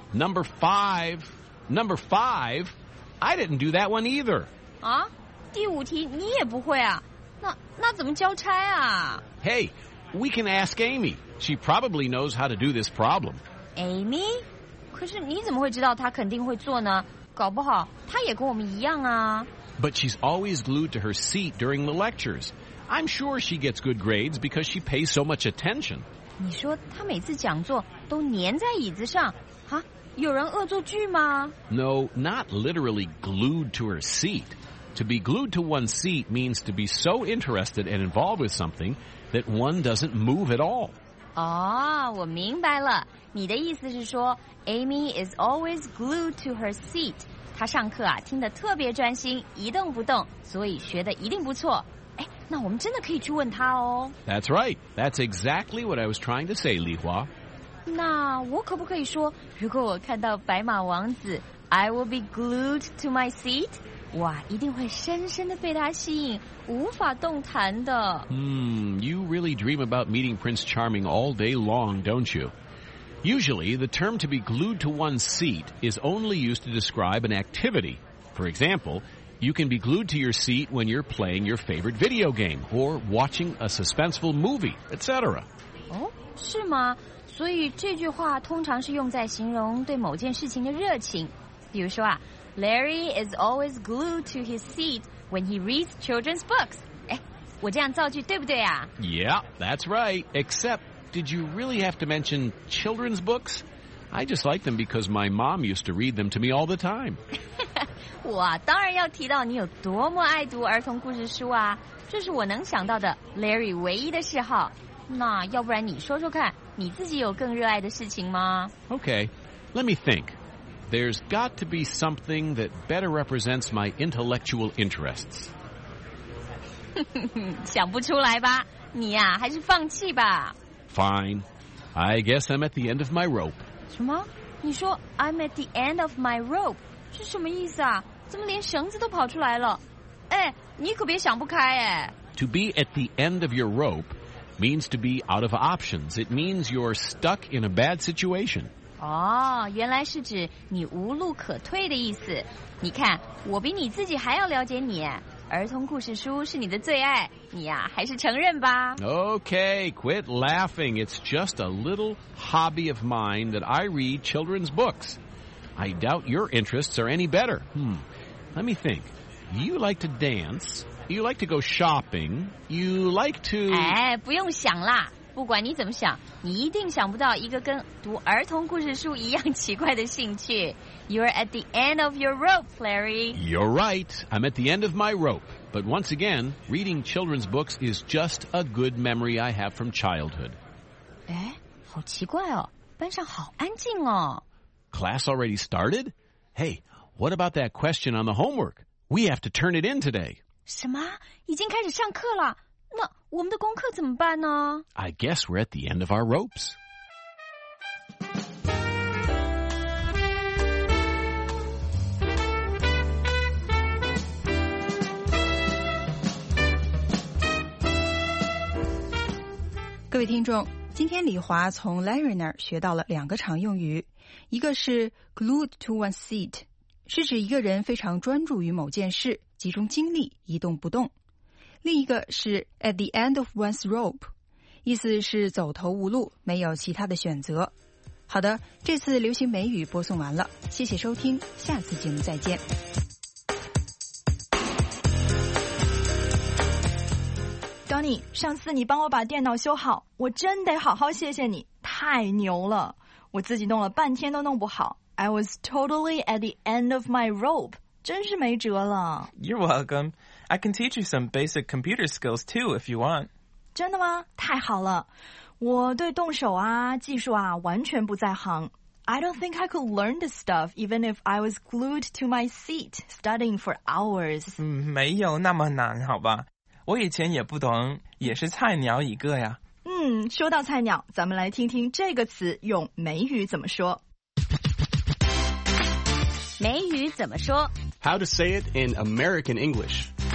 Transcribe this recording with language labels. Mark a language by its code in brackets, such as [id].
[en] Number five I didn't do that one either。 [zh] 啊，第五题你也不会啊？那怎么交差啊？ [en] Hey, we can ask Amy. She probably knows how to do this problem. Amy? [zh] 可是你怎么会知道她肯定会做呢？搞不好她也跟我们一样啊。 [en] But she's always glued to her seat during the lectures. I'm sure she gets good grades because she pays so much attention. [zh] 你说她每次讲座都粘在椅子上，啊，有人恶作剧吗？ [en] No, not literally glued to her seat. To be glued to one's seat means to be so interested and involved with something that one doesn't move at all. [zh] 哦，我明白了。你的意思是说 [en] Amy is always glued to her seat. [zh] 她上课啊，听得特别专心，一动不动，所以学得一定不错。哎，那我们真的可以去问她哦。 [en] That's right. That's exactly what I was trying to say, Lihua. [zh] 那我可不可以说，如果我看到白马王子 [en] I will be glued to my seat? [zh] 哇，一定会深深地被他吸引，无法动弹的。 [en] You really dream about meeting Prince Charming all day long, don't you? Usually, the term to be glued to one's seat is only used to describe an activity. For example, you can be glued to your seat when you're playing your favorite video game or watching a suspenseful movie, etc. [zh] 哦，是吗？所以这句话通常是用在形容对某件事情的热情，比如说啊。 [en] Larry is always glued to his seat when he reads children's books. [zh] 哎，我这样造句对不对啊？ [en] Yeah, that's right. Except, did you really have to mention children's books? I just like them because my mom used to read them to me all the time. [zh] 我当然要提到你有多么爱读儿童故事书啊，这是我能想到的 Larry 唯一的嗜好。那要不然你说说看，你自己有更热爱的事情吗？ [en] Okay, let me think. There's got to be something that better represents my intellectual interests. [zh] 想不出来吧？你呀，还是放弃吧。 [en] Fine. I guess I'm at the end of my rope. [zh] 什么？你说 [en] I'm at the end of my rope [zh] 是什么意思啊？怎么连绳子都跑出来了？哎，你可别想不开哎。 [en] To be at the end of your rope means to be out of options. It means you're stuck in a bad situation. [zh] 哦，原来是指你无路可退的意思。你看，我比你自己还要了解你。儿童故事书是你的最爱，你呀，还是承认吧。 [en] Okay, quit laughing. It's just a little hobby of mine that I read children's books. I doubt your interests are any better. Let me think. You like to dance. You like to go shopping. You like to... [zh] 哎，不用想啦。不管你怎么想，你一定想不到一个跟读儿童故事书一样奇怪的兴趣。 [en] You're at the end of your rope, Larry. You're right. I'm at the end of my rope. But once again, reading children's books is just a good memory I have from childhood. [zh] 哎，好奇怪哦，班上好安静哦。 [en] Class already started? Hey, what about that question on the homework? We have to turn it in today. [zh] 什么？已经开始上课了？那我们的功课怎么办呢？ [en] I guess we're at the end of our ropes. [zh] 各位听众，今天李华从 Larry 那儿学到了两个常用语，一个是 [en] glued to one seat， [zh] 是指一个人非常专注于某件事，集中精力，一动不动。另一个是 [en] at the end of one's rope， [zh] 意思是走投无路，没有其他的选择。好的，这次流行美语播送完了，谢谢收听，下次节目再见。 Donny， 上次你帮我把电脑修好，我真得好好谢谢你，太牛了，我自己弄了半天都弄不好。 [en] I was totally at the end of my rope， [zh] 真是没辙了。 [en] You're welcome. I can teach you some basic computer skills, too, if you want. [zh] 真的吗？太好了。我对动手啊，技术啊，完全不在行。 [en] I don't think I could learn this stuff, even if I was glued to my seat, studying for hours. [zh] 没有那么难，好吧。我以前也不懂，也是菜鸟一个呀。说到菜鸟，咱们来听听这个词用美语怎么说。美语怎么说？ [en] How to say it in American English.